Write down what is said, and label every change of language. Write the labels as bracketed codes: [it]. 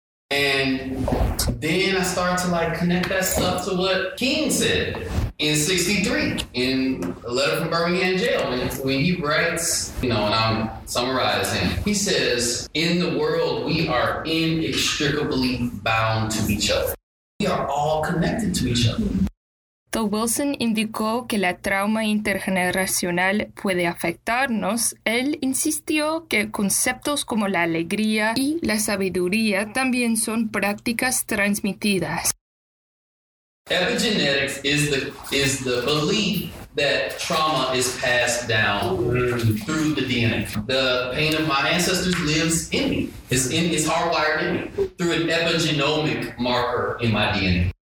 [en] And then I start to like connect that stuff to what King said in 63 in a letter from Birmingham jail. When he writes, you know, and I'm summarizing, he says, in the world, we are inextricably bound to each other. We are all connected to each other. [es] Though Wilson indicó que la trauma intergeneracional puede afectarnos, él insistió que conceptos como la alegría y la sabiduría también son prácticas transmitidas. [en] Epigenetics is the belief that trauma is passed down through the DNA. The pain of my ancestors lives in me. It's hardwired in me through an epigenomic marker in my DNA.